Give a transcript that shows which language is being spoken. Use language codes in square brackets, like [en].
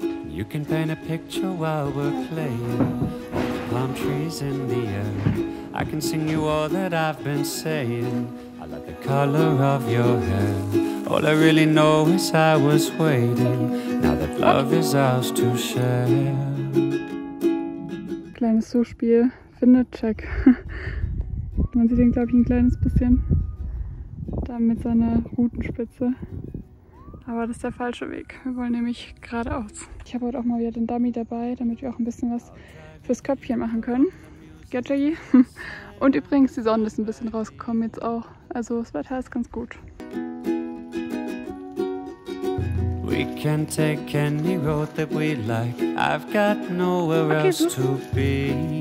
[en] You can paint a picture while we're playing. Palm trees in the air. I can sing you all that I've been saying. I love the color of your hair. All I really know is I was waiting. Now that love is ours to share. [de] Kleines Zuspiel findet Jack. Man sieht ihn, glaube ich, ein kleines bisschen. Da mit seiner Rutenspitze. Aber das ist der falsche Weg. Wir wollen nämlich geradeaus. Ich habe heute auch mal wieder den Dummy dabei, damit wir auch ein bisschen was fürs Köpfchen machen können. Gell, Jackie? Und übrigens, die Sonne ist ein bisschen rausgekommen jetzt auch. Also das Wetter ist ganz gut. [en] We can take any road that we like. I've got nowhere okay, else to be.